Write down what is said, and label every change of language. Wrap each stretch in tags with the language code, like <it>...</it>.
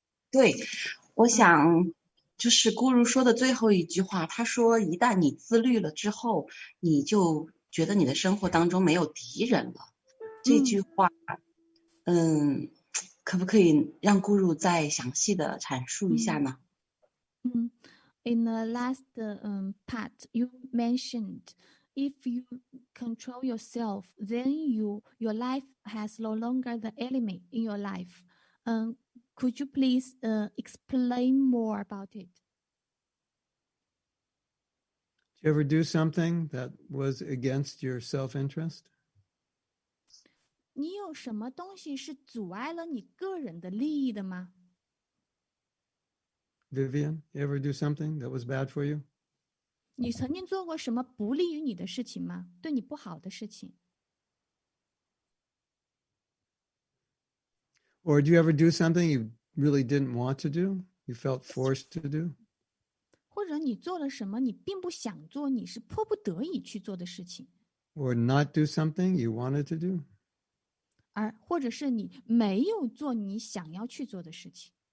<zh>对，我想就是咕噜说的最后一句话，他说一旦你自律了之后，你就觉得你的生活当中没有敌人了。这句话可不可以让咕噜再详细的阐述一下呢？</zh> <en>In the last part you mentioned, if you control yourself, then your life has no longer the enemy in your life. Could you please explain more about it? You ever do something that was against your self-interest?</en> <zh>你有什么东西是阻碍了你个人的利益的吗?</zh> <en>Vivian, you ever do something that was bad for you?</en> <zh>你曾经做过什么不利于你的事情吗? 对你不好的事情?</zh> <en>Or do you ever do something you really didn't want to do? You felt forced to do?</en> <zh>或者你做了什么你并不想做, 你是迫不得已去做的事情?</zh> <en>Or not do something you wanted to do?</en> <zh>或者是你没有做你想要去做的事情?</zh>